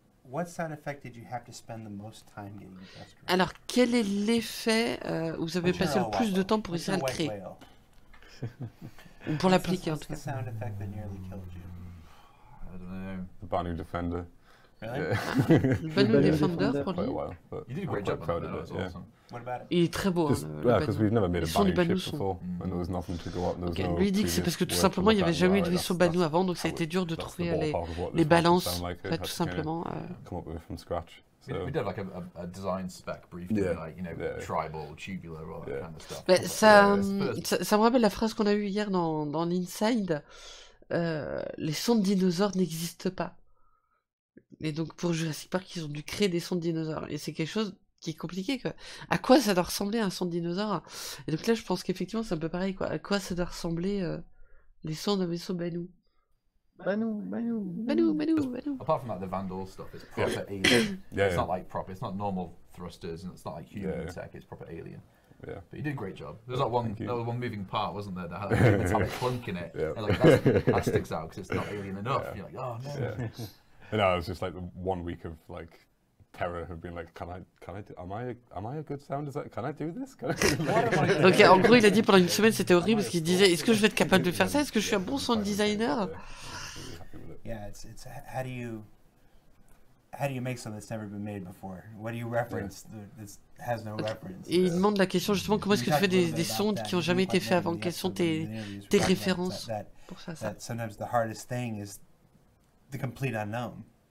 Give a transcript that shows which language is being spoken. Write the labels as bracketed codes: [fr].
[en] What side effect did you have to spend the most time getting the best role? [fr] Alors, quel est l'effet où vous avez passé le plus de temps pour essayer de créer? Ou pour l'appliquer, en tout cas. [en] What's the sound effect that nearly killed you? I don't know. The Banu Defender. Really? Yeah. Banu Defender for quite a while. But you did a great job. Proud of it. Awesome. Yeah. What about it? [fr] Il est très beau. [en] Because we've never made a Banu ship before, and there was nothing to go up. Okay. [fr] Lui dit que c'est parce que tout simplement il n'y avait jamais eu de vaisseau Banu avant, donc ça a été dur de trouver les balances, tout simplement. [en] Come up with from scratch. So. We did like a design spec briefly, yeah. Tribal, tubular, all that kind of stuff. [fr] Mais ça me rappelle la phrase qu'on a eue hier dans l'Inside. Les sons de dinosaures n'existent pas. Et donc, pour Jurassic Park, ils ont dû créer des sons de dinosaures. Et c'est quelque chose qui est compliqué, quoi. À quoi ça doit ressembler, un son de dinosaure? Et donc là, je pense qu'effectivement, c'est un peu pareil, quoi. À quoi ça doit ressembler les sons d'un vaisseau Banu? Banu. [en] Apart from that, the Vandal stuff is proper alien. It's not like proper, it's not normal thrusters, and it's not like human tech, it's proper alien. Yeah, but you did a great job. There's that one moving part, wasn't there? That had a metallic clunk in it. Yeah. And that sticks out because it's not alien enough. Yeah. You're like, oh no. Yeah. And no, it was just like the 1 week of like terror of being like, am I a good sound designer? Can I do this? [fr] Ok, en gros, il a dit pendant une semaine c'était horrible parce qu'il disait, est-ce que je vais être capable de faire ça? Est-ce que je suis un bon sound designer? [en] Yeah, it's how do you make something that's never been made before? What do you reference? That's has no reference. [fr] Et il demande la question justement, comment est-ce que tu fais des sondes qui ont jamais été faites avant? Quelles sont tes références pour ça? [en] That sometimes the hardest thing is the complete unknown.